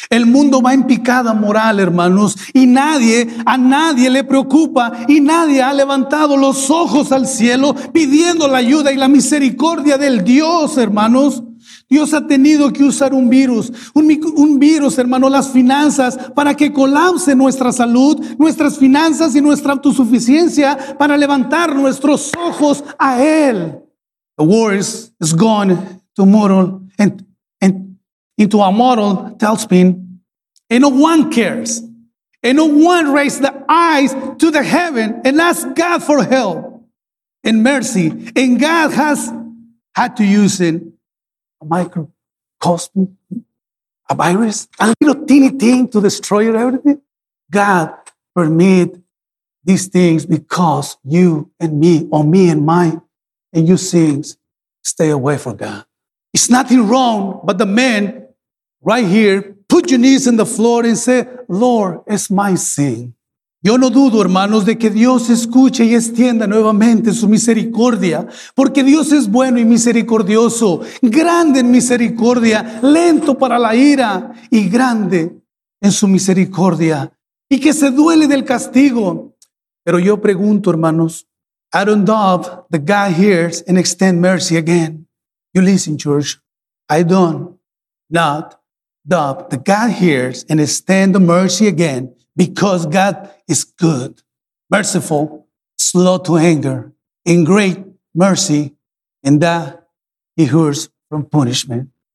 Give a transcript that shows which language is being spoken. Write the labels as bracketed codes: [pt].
[es] El mundo va en picada moral, hermanos, y a nadie le preocupa y nadie ha levantado los ojos al cielo pidiendo la ayuda y la misericordia del Dios, hermanos. Dios ha tenido que usar un virus, hermano, las finanzas, para que colapse nuestra salud, nuestras finanzas y nuestra autosuficiencia para levantar nuestros ojos a Él. [en] The world is gone to mortal and into a mortal tailspin. And no one cares. And no one raises the eyes to the heaven and asks God for help and mercy. And God has had to use it. A microcosm, a virus, a little teeny thing to destroy everything. God permit these things because you and me, or me and mine, and you things stay away from God. It's nothing wrong, but the man right here, put your knees on the floor and say, Lord, it's my sin. [es] Yo no dudo, hermanos, de que Dios escuche y extienda nuevamente su misericordia, porque Dios es bueno y misericordioso, grande en misericordia, lento para la ira y grande en su misericordia, y que se duele del castigo. Pero yo pregunto, hermanos, [en] I don't doubt that God hears and extend mercy again. You listen, church. I don't not doubt that God hears and extend the mercy again. Because God is good, merciful, slow to anger, in great mercy, and that he hears from punishment.